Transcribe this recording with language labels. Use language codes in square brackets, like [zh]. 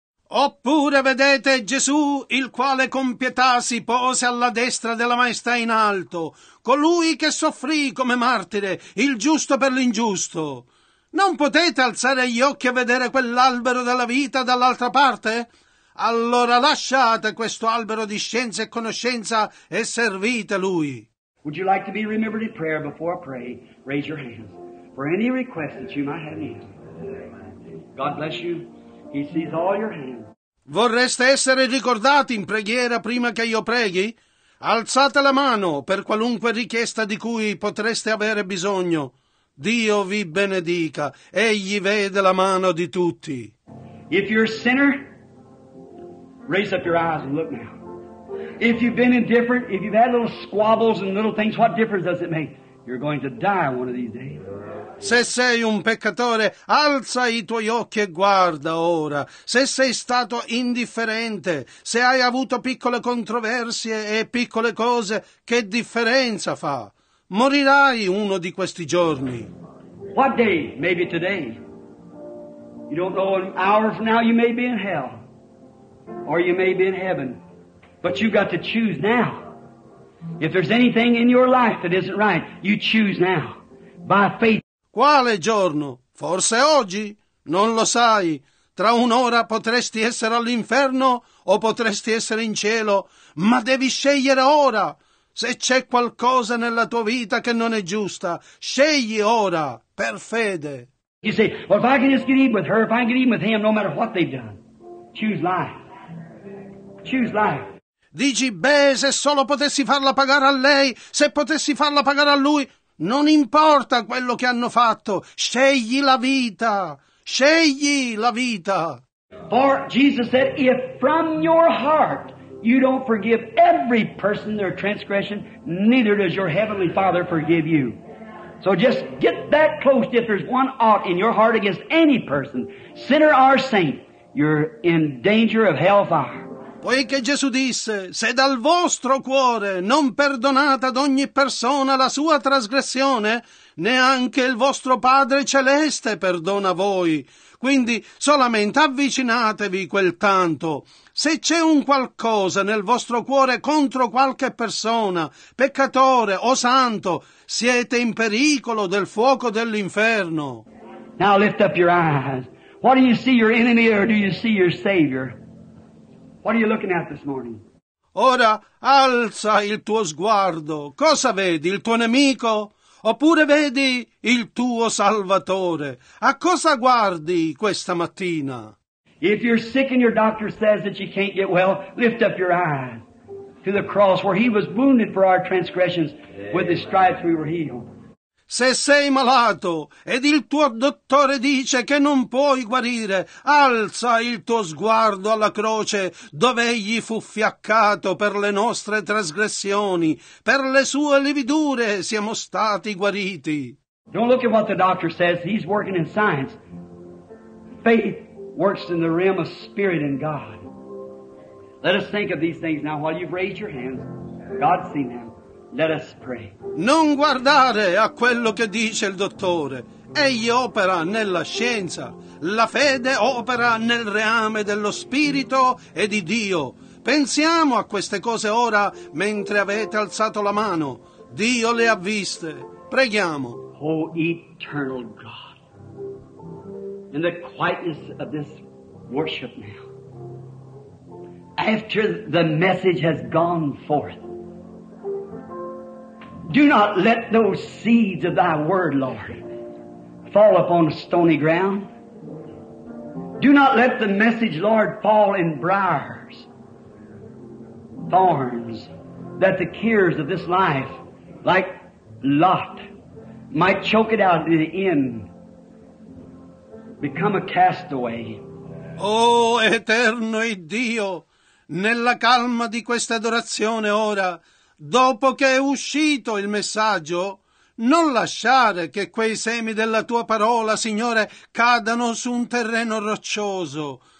[it] Oppure vedete Gesù, il quale con pietà si pose alla destra della maestà in alto, colui che soffrì come martire, il giusto per l'ingiusto. Non potete alzare gli occhi a vedere quell'albero della vita dall'altra parte? Allora lasciate questo albero di scienza e conoscenza e servite lui. [en] Would you like to be remembered in prayer before I pray? Raise your hands for any request that you might have need. God bless you. He sees all your hands. [it] Vorreste essere ricordati in preghiera prima che io preghi? Alzate la mano per qualunque richiesta di cui potreste avere bisogno. Dio vi benedica. Egli vede la mano di tutti. [en] If you're a sinner, raise up your eyes and look now. If you've been indifferent, if you've had little squabbles and little things, what difference does it make? You're going to die one of these days. [it] Se sei un peccatore, alza i tuoi occhi e guarda ora. Se sei stato indifferente, se hai avuto piccole controversie e piccole cose, che differenza fa? Morirai uno di questi giorni. [en] What day? Maybe today. You don't know, an hour from now you may be in hell. Or you may be in heaven. But you've got to choose now. If there's anything in your life that isn't right, you choose now. By faith. [it] Quale giorno? Forse oggi? Non lo sai. Tra un'ora potresti essere all'inferno o potresti essere in cielo, ma devi scegliere ora. Se c'è qualcosa nella tua vita che non è giusta, scegli ora, per fede. [en] You say, well, if I can just get even with her, if I can get even with him, no matter what they've done, choose life. Choose life. [it] Dici, beh, se solo potessi farla pagare a lei, se potessi farla pagare a lui... Non importa quello che hanno fatto, scegli la vita, scegli la vita. [en] For Jesus said, if from your heart you don't forgive every person their transgression, neither does your heavenly Father forgive you. So just get that close. If there's one ought in your heart against any person, sinner or saint, you're in danger of hellfire. [it] Poiché Gesù disse, se dal vostro cuore non perdonate ad ogni persona la sua trasgressione, neanche il vostro Padre Celeste perdona voi. Quindi solamente avvicinatevi quel tanto. Se c'è un qualcosa nel vostro cuore contro qualche persona, peccatore o santo, siete in pericolo del fuoco dell'inferno. [en] Now lift up your eyes. What do you see, your enemy, or do you see your Savior? What are you looking at this morning? [it] Ora alza il tuo sguardo. Cosa vedi? Il tuo nemico? Oppure vedi il tuo Salvatore? A cosa guardi questa mattina? [en] If you're sick and your doctor says that you can't get well, lift up your eyes to the cross where he was wounded for our transgressions. With his stripes we were healed. [it] Se sei malato ed il tuo dottore dice che non puoi guarire, alza il tuo sguardo alla croce dove egli fu fiaccato per le nostre trasgressioni, per le sue lividure siamo stati guariti. [en] Don't look at what the doctor says, he's working in science. Faith works in the realm of spirit and God. Let us think of these things now while you've raised your hands. God's seen them. Let us pray. [it] Non guardare a quello che dice il dottore. Egli opera nella scienza. La fede opera nel reame dello Spirito e di Dio. Pensiamo a queste cose ora mentre avete alzato la mano. Dio le ha viste. Preghiamo. [en] Oh, eternal God, in the quietness of this worship now, after the message has gone forth, do not let those seeds of thy word, Lord, fall upon stony ground. Do not let the message, Lord, fall in briars, thorns, that the cares of this life, like Lot, might choke it out in the end, become a castaway. [it] Oh, eterno Dio, nella calma di questa adorazione ora, dopo che è uscito il messaggio, non lasciare che quei semi della tua parola, Signore, cadano su un terreno roccioso.